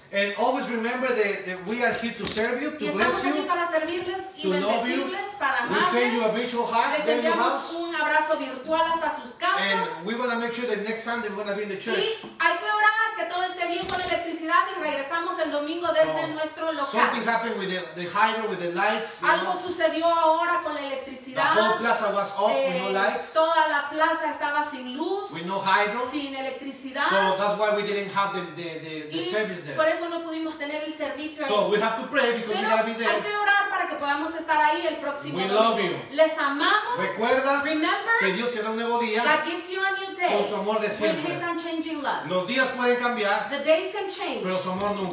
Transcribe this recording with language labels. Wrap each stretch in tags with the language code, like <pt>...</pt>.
<en>And always remember that we are here to serve you, to bless you,</en> <es>para y</es> <en>to love you.</en> <es>Para</es> <en>we send you a virtual hug.</en> <es>Les enviamos un abrazo virtual hasta sus casas.</es> <en>And we want to make sure that next Sunday we're going to be in the church.</en> <es>Y hay que orar que todo esté bien con electricidad y regresamos el domingo desde so, nuestro local.</es> <en>Something happened with the hydro, with the lights.</en> <es>Algo</es> <en>know?</en> <es>Sucedió ahora con la electricidad.</es> <en>The whole plaza was off with no lights.</en> <es>Toda la plaza estaba sin luz.</es> <en>With no hydro.</en> <es>Sin electricidad.</es> <en>So that's why we didn't have the service there.</en> <es>Por eso no pudimos tener el servicio ahí.</es> <en>So we have to pray because</en> <es>pero</es> <en>we gotta be there.</en> <es>Hay que orar para que podamos estar ahí el próximo</es> <en>we</en> <es>domingo.</es> <en>We love you.</en> <es>Les amamos. Recuerda.</es> <en>Remember.</en> <es>Que Dios te da un nuevo día.</es> <en>God gives you a new day.</en> <es>Con su amor de siempre.</es> <en>With his unchanging love.</en> <es>Los días pueden cambiar.</es> <en>The days can change.</en> <es>Pero su amor nunca.</es>